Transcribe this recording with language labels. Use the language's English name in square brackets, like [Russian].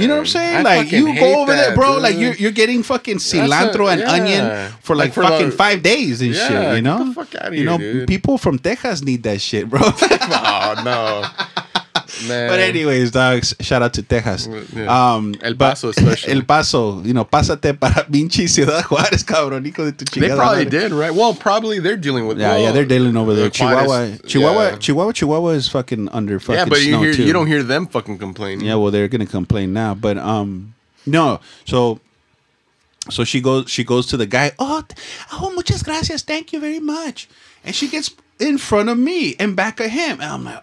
[English] You know what I'm saying? Like, you go over there, bro, like you're getting fucking cilantro and onion for like fucking 5 days and shit, you know? Get the fuck out of here. You know, people from Texas need that shit, bro. Oh no. Man. But anyways, dogs, shout out to Texas. Yeah. El Paso, especially. [Spanish] El Paso, [English] you know, [Spanish] pásate para pinche Ciudad Juárez, cabrón, hijo de tu chingada. [English] They probably did, right? Well, probably they're dealing with. Yeah, well, yeah, they're dealing over there. Chihuahua is fucking under fucking snow. Yeah, but you don't hear them fucking complain. Yeah, well, they're going to complain now. But no, so she goes to the guy. Oh, [Spanish] muchas gracias. [English] Thank you very much. And she gets in front of me and back of him, and I'm like,